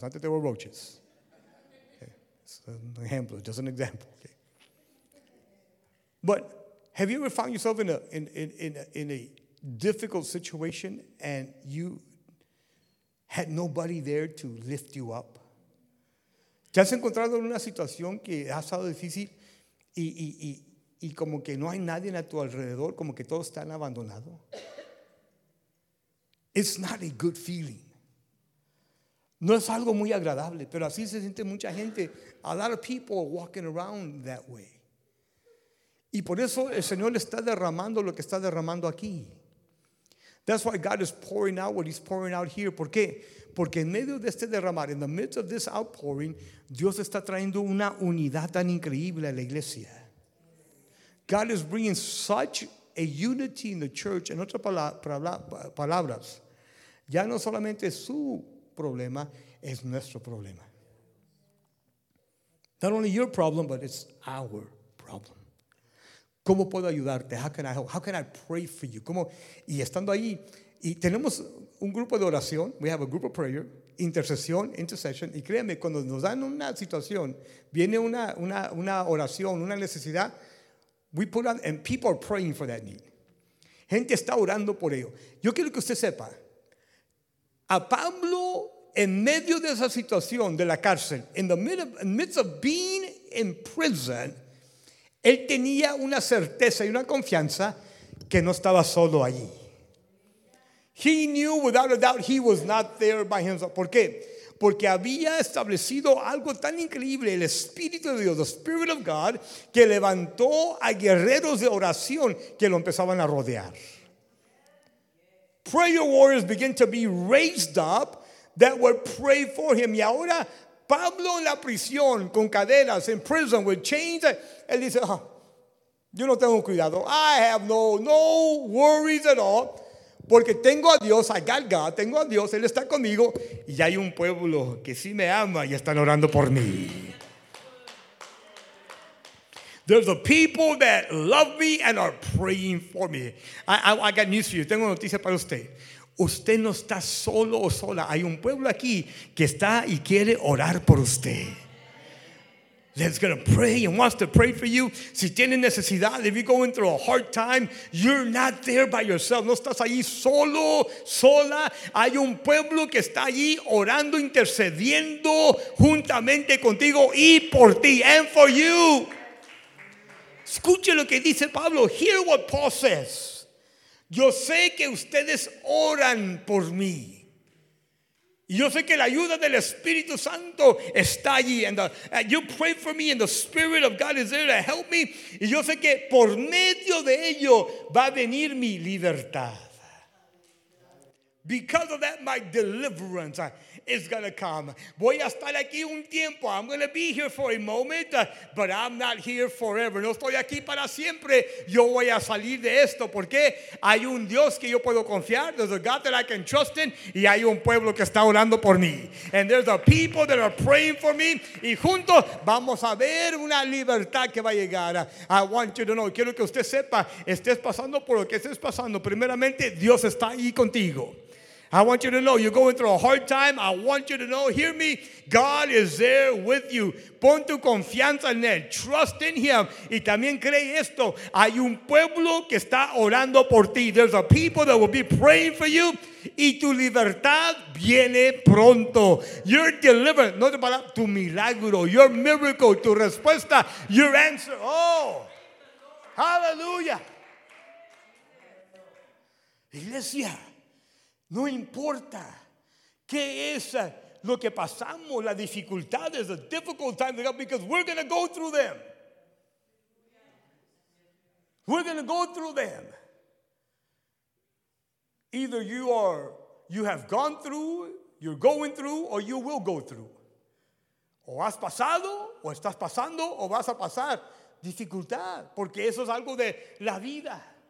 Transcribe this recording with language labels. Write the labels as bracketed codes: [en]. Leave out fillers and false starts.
[en] Not that they were roaches. Okay. It's an example. Just an example. Okay. But have you ever found yourself in a difficult situation and you had nobody there to lift you up? [es] ¿Te has encontrado en una situación que ha estado difícil y como que no hay nadie a tu alrededor, como que todos están abandonados? [en] It's not a good feeling. [es] No es algo muy agradable, pero así se siente mucha gente. [en] A lot of people are walking around that way. [es] Y por eso el Señor está derramando lo que está derramando aquí. [en] That's why God is pouring out what he's pouring out here. [es] ¿Por qué? Porque en medio de este derramar, [en] in the midst of this outpouring, [es] Dios está trayendo una unidad tan increíble a la iglesia. [en] God is bringing such a unity in the church. [es] En otras palabras, ya no solamente su problema, es nuestro problema. [en] Not only your problem, but it's our problem. [es] ¿Cómo puedo ayudarte? [en] How can I help? How can I pray for you? [es] ¿Cómo? Y estando ahí, y tenemos un grupo de oración. [en] We have a group of prayer, intercesión, intercession. [es] Y créanme, cuando nos dan una situación, viene una oración, una necesidad, [en] we put on, and people are praying for that need. [es] Gente está orando por ello. Yo quiero que usted sepa, a Pablo, en medio de esa situación de la cárcel, [en] in the midst of being in prison, [es] él tenía una certeza y una confianza que no estaba solo allí. [en] He knew without a doubt he was not there by himself. [es] ¿Por qué? Porque había establecido algo tan increíble, el Espíritu de Dios, [en] the Spirit of God, [es] que levantó a guerreros de oración que lo empezaban a rodear. [en] Prayer warriors began to be raised up that would pray for him. [es] Y ahora Pablo en la prisión, con cadenas, [en] in prison, with chains, [es] él dice, oh, yo no tengo cuidado. [en] I have no worries at all. [es] Porque tengo a Dios, [en] I got God, [es] tengo a Dios, Él está conmigo. Y hay un pueblo que sí me ama y están orando por mí. [en] There's a people that love me and are praying for me. I got news for you. [es] Tengo noticia para usted. Usted no está solo o sola. Hay un pueblo aquí que está y quiere orar por usted. [en] That's going to pray and wants to pray for you. [es] Si tiene necesidad, [en] if you're going through a hard time, you're not there by yourself. [es] No estás ahí solo, sola. Hay un pueblo que está allí orando, intercediendo juntamente contigo y por ti [en] and for you. [es] Escuche lo que dice Pablo. [en] Hear what Paul says. [es] Yo sé que ustedes oran por mí. Yo sé que la ayuda del Espíritu Santo está allí. [en] You pray for me and the Spirit of God is there to help me. [es] Y yo sé que por medio de ello va a venir mi libertad. [en] Because of that, my deliverance is going to come. [es] Voy a estar aquí un tiempo. [en] I'm going to be here for a moment, but I'm not here forever. [es] No estoy aquí para siempre. Yo voy a salir de esto. ¿Por qué? Hay un Dios que yo puedo confiar. [en] There's a God that I can trust in. [es] Y hay un pueblo que está orando por mí. [en] And there's a people that are praying for me. [es] Y juntos vamos a ver una libertad que va a llegar. [en] I want you to know. [es] Quiero que usted sepa, estés pasando por lo que estés pasando. Primeramente, Dios está ahí contigo. [en] I want you to know you're going through a hard time. I want you to know, hear me, God is there with you. [es] Pon tu confianza en Él. [en] Trust in Him. [es] Y también cree esto. Hay un pueblo que está orando por ti. [en] There's a people that will be praying for you. [es] Y tu libertad viene pronto. [en] Your deliverance, [es] no te palabra, tu milagro, [en] your miracle, [es] tu respuesta, [en] your answer. Oh, hallelujah. [es] Iglesia. No importa qué es lo que pasamos, las dificultades, [en] the difficult times, because we're going to go through them. We're going to go through them. Either you have gone through, you're going through, or you will go through. [es] O has pasado, o estás pasando, o vas a pasar dificultad, porque eso es algo de la vida.